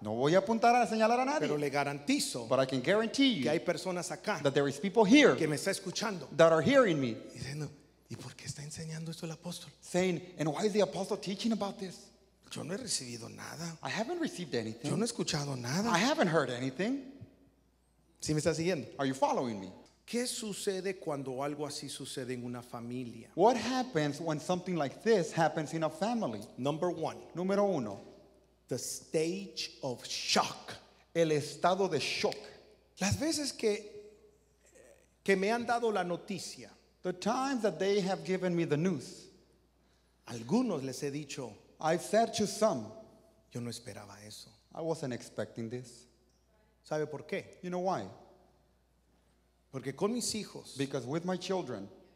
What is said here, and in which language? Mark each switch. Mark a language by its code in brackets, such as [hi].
[es] No voy a apuntar a señalar a nadie. Pero le garantizo. [en] But I can guarantee you [es] que hay personas acá [en] that there is people here [es] que me está escuchando [en] that are hearing me. [es] Diciendo, ¿y por qué está enseñando esto el apóstol? [en] Saying, and why is the apostle teaching about this? [es] Yo no he recibido nada. [en] I haven't received anything. [es] Yo no he escuchado nada. [en] I haven't heard anything. [es] ¿Sí me estás siguiendo? [en] Are you following me? [es] ¿Qué sucede cuando algo así sucede en una familia? [en] What happens when something like this happens in a family? Number one. [es] Número uno. [en] The stage of shock. [es] El estado de shock. Las veces que me han dado la noticia. [en] The times that they have given me the news. [es] Algunos les he dicho. [en] I said to some, [es] yo no esperaba eso. [en] I wasn't expecting this. [es] ¿Sabe por qué? [en] You know why? [es] Porque con mis hijos. [en] Because with my children.